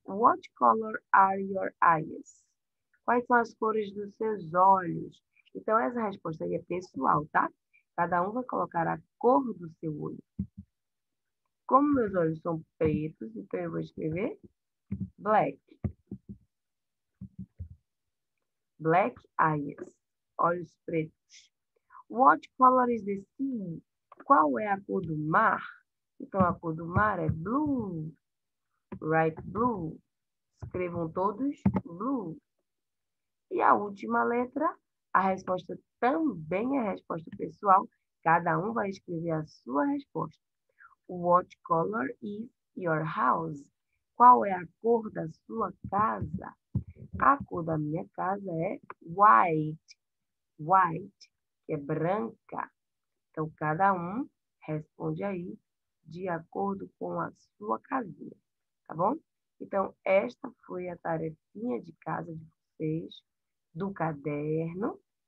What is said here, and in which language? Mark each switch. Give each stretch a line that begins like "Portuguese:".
English: What color are your eyes?
Portuguese: Quais são as cores dos seus olhos? Então, essa resposta aí é pessoal, tá? Cada um vai colocar a cor do seu olho. Como meus olhos são pretos, então eu vou escrever black.
English: Black eyes.
Portuguese: Olhos pretos.
English: What color is the sea?
Portuguese: Qual é a cor do mar? Então, a cor do mar é blue.
English: Write blue.
Portuguese: Escrevam todos blue. E a última letra? A resposta também é resposta pessoal. Cada um vai escrever a sua resposta.
English: What color is your house?
Portuguese: Qual é a cor da sua casa? A cor da minha casa é white. White, que é branca. Então, cada um responde aí de acordo com a sua casinha. Tá bom? Então, esta foi a tarefinha de casa de vocês, do caderno.